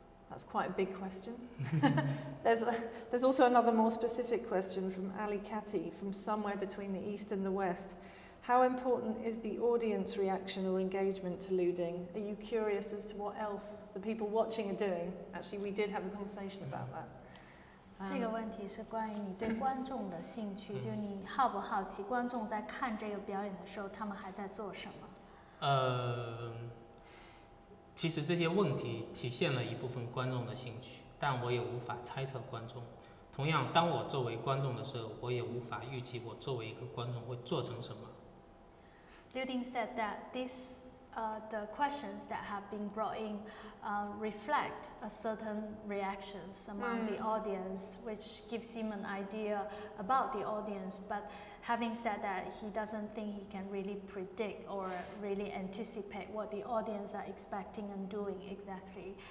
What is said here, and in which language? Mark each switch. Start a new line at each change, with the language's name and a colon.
English: That's quite a big question. there's also another more specific question from Ali Kati from somewhere between the East and the West. How important is the audience reaction or engagement to Liu Ding? Are you curious as to what else the people watching are doing? Actually, we did have a conversation about that.
Chinese: 这个问题是关于你对观众的兴趣，就你好不好奇观众在看这个表演的时候，他们还在做什么？其实这些问题体现了一部分观众的兴趣，但我也无法猜测观众。同样，当我作为观众的时候，我也无法预计我作为一个观众会做成什么。
English: Liu Ding said that the questions that have been brought in reflect a certain reactions among the audience, which gives him an idea about the audience. But having said that, he doesn't think he can really predict or really anticipate what the audience are expecting and doing exactly.